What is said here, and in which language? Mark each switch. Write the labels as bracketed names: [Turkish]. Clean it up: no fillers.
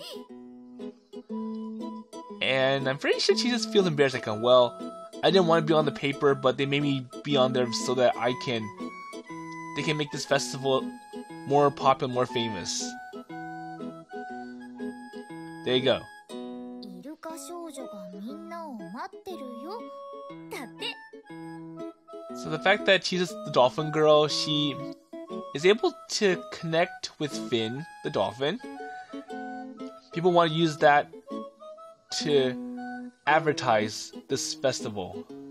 [English] And I'm pretty sure Chisa feels embarrassed, like, well, I didn't want to be on the paper, but they made me be on there so that they can make this festival more popular, more famous. There you go. [Japanese] イルカ少女がみんなを待ってるよ。だって。 [English] So the fact that Chisa's the dolphin girl, she is able to connect with Finn, the dolphin. People want to use that to advertise this festival.